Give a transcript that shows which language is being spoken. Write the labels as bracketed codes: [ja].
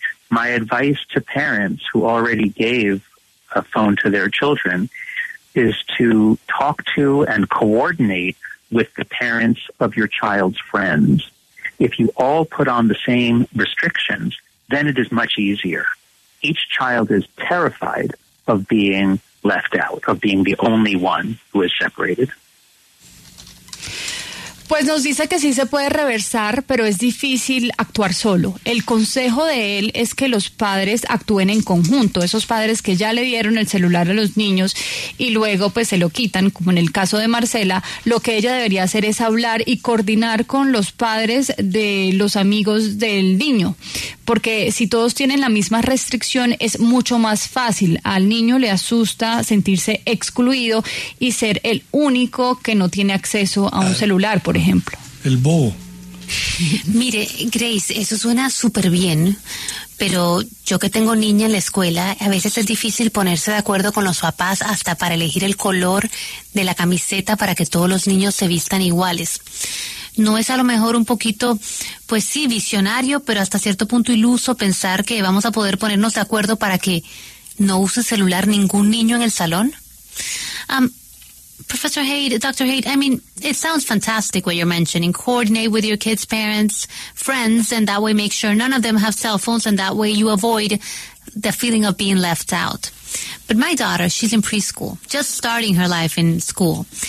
[en] My advice to parents who already gave a phone to their children is to talk to and coordinate with the parents of your child's friends. If you all put on the same restrictions, then it is much easier. Each child is terrified of being left out, of being the only one who is separated. [es] Pues nos dice que sí se puede reversar, pero es difícil actuar solo. El consejo de él es que los padres actúen en conjunto, esos padres que ya le dieron el celular a los niños y luego pues se lo quitan, como en el caso de Marcela. Lo que ella debería hacer es hablar y coordinar con los padres de los amigos del niño, porque si todos tienen la misma restricción es mucho más fácil. Al niño le asusta sentirse excluido y ser el único que no tiene acceso a un celular, por ejemplo. El bobo. Mire, Grace, eso suena súper bien, pero yo que tengo niña en la escuela, a veces es difícil ponerse de acuerdo con los papás hasta para elegir el color de la camiseta para que todos los niños se vistan iguales. ¿No es a lo mejor un poquito, pues sí, visionario, pero hasta cierto punto iluso pensar que vamos a poder ponernos de acuerdo para que no use celular ningún niño en el salón? [en] Professor Haidt, Dr. Haidt, I mean, it sounds fantastic what you're mentioning. Coordinate with your kids' parents, friends, and that way make sure none of them have cell phones, and that way you avoid the feeling of being left out. But my daughter, she's in preschool, just starting her life in school.